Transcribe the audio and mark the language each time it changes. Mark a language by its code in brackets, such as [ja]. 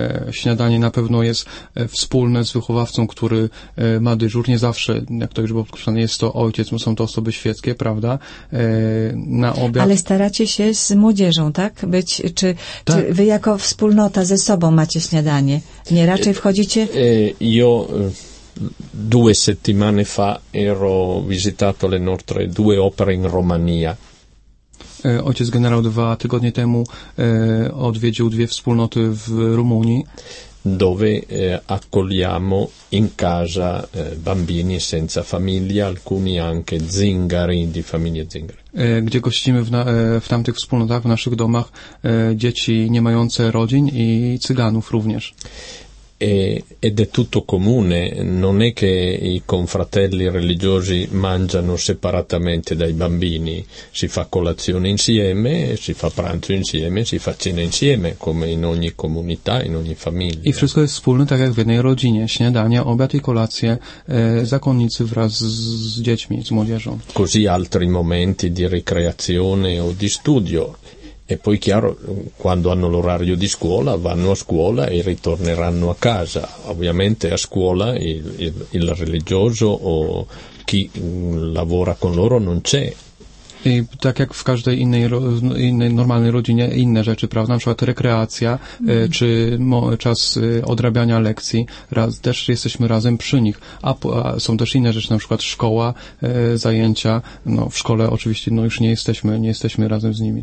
[pl] Śniadanie na pewno jest wspólne z wychowawcą, który ma dyżur. Nie zawsze, jak to już było podkreślone, jest to ojciec, są to osoby świeckie, prawda, na obiad. Ale staracie się z młodzieżą, tak, być, czy, tak. Czy wy jako wspólnota ze sobą macie śniadanie? Nie, raczej wchodzicie? [it] Due settimane fa ero visitato le nostre due opere in Romania. [pl] Ojciec generał dwa tygodnie temu odwiedził dwie wspólnoty w Rumunii. [it] Dove accogliamo in casa bambini senza famiglia, alcuni anche zingari di famiglie zingare. [pl] Gdzie gościmy w tamtych wspólnotach, w naszych domach, dzieci nie mające rodzin i cyganów również. [it] Ed è tutto comune, non è che i confratelli religiosi mangiano separatamente dai bambini, si fa colazione insieme, si fa pranzo insieme, si fa cena insieme, come in ogni comunità, in ogni famiglia. [pl] I wszystko jest wspólne, tak jak w jednej rodzinie, śniadania, obiad i kolacje, zakonnicy wraz z dziećmi, z młodzieżą. [it] Così altri momenti di ricreazione o di studio. E poi chiaro, quando hanno l'orario di scuola, vanno a scuola e ritorneranno a casa. Ovviamente a scuola il religioso o chi lavora con loro non c'è. [pl] I tak jak w każdej innej normalnej rodzinie, inne rzeczy, prawda? Na przykład rekreacja, czy czas odrabiania lekcji, też jesteśmy razem przy nich. A są też inne rzeczy, na przykład szkoła, zajęcia. No, w szkole oczywiście no, już nie jesteśmy razem z nimi.